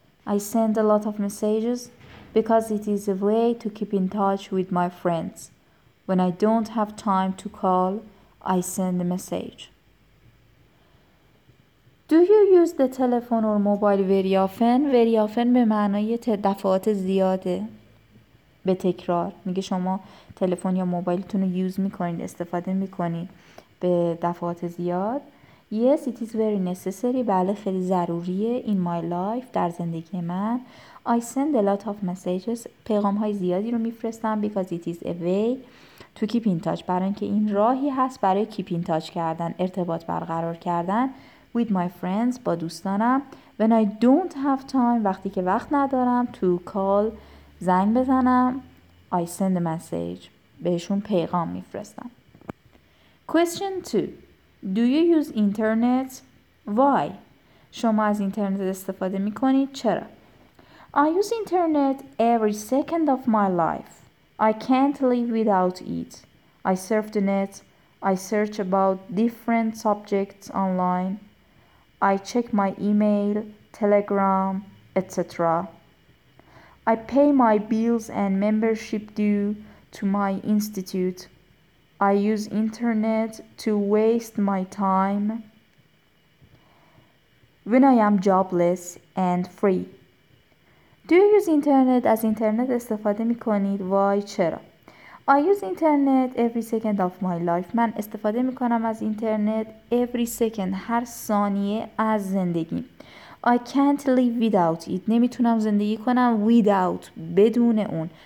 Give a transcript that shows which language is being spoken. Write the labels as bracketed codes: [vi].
[en] I send a lot of messages because it is a way to keep in touch with my friends. When I don't have time to call, I send a message. Do you use the telephone or mobile very often? Very often [fa] به معنای دفعات زیاده. به تکرار. میگه شما تلفن یا موبایلتون رو یوز میکنید، استفاده میکنید به دفعات زیاد. [en] Yes, it is very necessary. [fa] بله، خیلی ضروریه. [en] In my life، [fa] در زندگی من. [en] I send a lot of messages. [fa] پیغام های زیادی رو میفرستم. [en] Because it is a way to keep in touch. [fa] برای اینکه این راهی هست برای [en] keep in touch [fa] کردن، ارتباط برقرار کردن. [en] With my friends، [fa] با دوستانم. [en] When I don't have time، [fa] وقتی که وقت ندارم. [en] To call، [fa] زنگ بزنم. [en] I send a message، [fa] بهشون پیغام میفرستم. [en] Question 2. Do you use internet? Why؟ [fa] شما از اینترنت استفاده میکنید؟ چرا؟ [en] I use internet every second of my life. I can't live without it. I surf the net. I search about different subjects online. I check my email, telegram, etc. I pay my bills and membership due to my institute. I use internet to waste my time when I am jobless and free. Do you use internet? [fa] از اینترنت استفاده میکنید؟ Why؟ چرا؟ [en] I use internet every second of my life. [fa] من استفاده میکنم از اینترنت [en] every second، [fa] هر ثانیه از زندگی. [en] I can't live without it. [fa] نمیتونم زندگی کنم without، بدون اون.